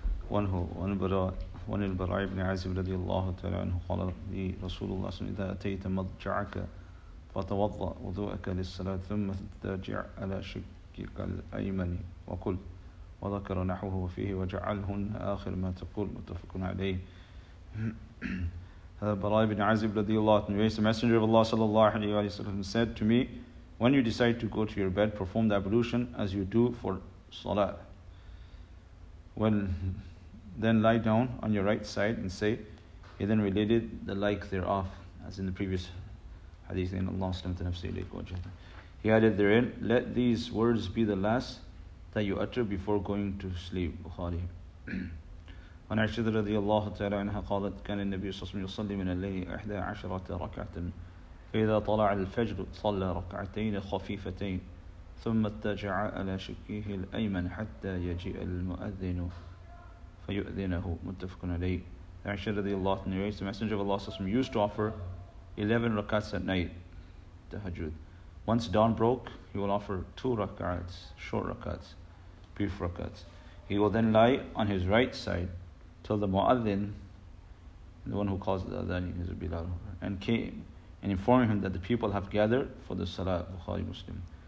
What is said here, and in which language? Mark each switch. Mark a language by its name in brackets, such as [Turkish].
[Arabic] وعنه وعن البراء وعن البراء بن عازب رضي الله تعالى عنه قال لرسول الله صلى الله عليه وسلم: إذا أتيت مضجعك فتوضأ وضوءك للصلاة ثم ترجع على شقك الأيمن وقل، وذكر نحوه فيه وجعلهن آخر ما تقول، متفق عليه. هذا البراء بن عازب رضي الله عنه. [English] The Messenger of Allah صلى الله عليه وسلم said to me: When you decide to go to your bed, perform the ablution as you do for salah. Well, then lie down on your right side and say, he then related the like thereof, as in the previous hadith in Allah sallallahu alayhi wa sallam. He added therein, let these words be the last that you utter before going to sleep. Bukhari. When [Arabic] Aisha radiallahu ta'ala anha qalat, kana an-nabi sallallahu alayhi wa sallam yusalli min al-layli 11 rak'atan. فإذا طلع الفجر صلى ركعتين خفيفتين ثم اتجع على شقه الأيمن حتى يجيء المؤذن فيؤذنه. متفق عليه. [English] عائشة رضي الله عنها narrates, the Messenger of Allah used to offer 11 rakats at night, tahajjud. Once dawn broke, he will offer 2 rakats, short rakats, brief rakats. He will then lie on his right side till the mu'adhin, the one who calls the adhani, is Bilal, and came and informing him that the people have gathered for the Salah. Bukhari Muslim.